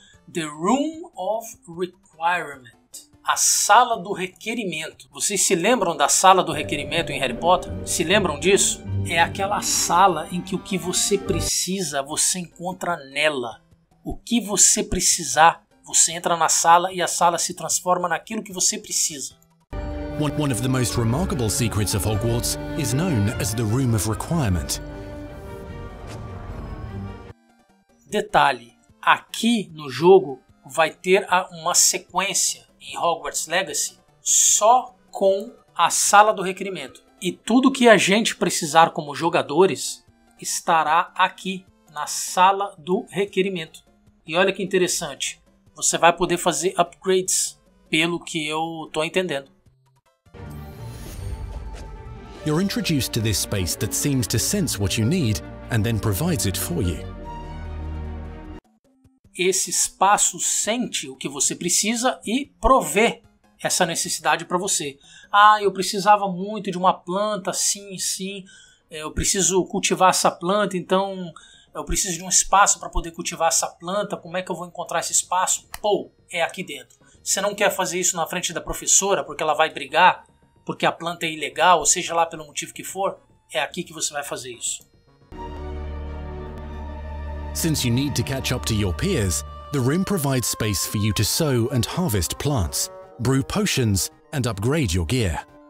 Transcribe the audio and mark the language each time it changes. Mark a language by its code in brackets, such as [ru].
[en] The Room of Requirement. [pt] A sala do requerimento. Vocês se lembram da sala do requerimento em Harry Potter? Se lembram disso? É aquela sala em que o que você precisa, você encontra nela. O que você precisar, você entra na sala e a sala se transforma naquilo que você precisa. [en] One of the most remarkable secrets of Hogwarts is known as the Room of Requirement. [pt] Detalhe, aqui no jogo vai ter uma sequência em Hogwarts Legacy só com a sala do requerimento. E tudo que a gente precisar como jogadores estará aqui na sala do requerimento. E olha que interessante, você vai poder fazer upgrades, pelo que eu tô entendendo. [en] You're introduced to this space that seems to sense what you need and then provides it for you. [pt] Esse espaço sente o que você precisa e provê essa necessidade para você. Ah, eu precisava muito de uma planta, sim, sim. Eu preciso cultivar essa planta, então eu preciso de um espaço para poder cultivar essa planta. Como é que eu vou encontrar esse espaço? Pô, é aqui dentro. Você não quer fazer isso na frente da professora porque ela vai brigar? Porque a planta é ilegal, ou seja lá pelo motivo que for, é aqui que você vai fazer isso. [en] Since you need to catch up to your peers, the room provides space for you to sow and harvest plants, brew potions and upgrade your gear.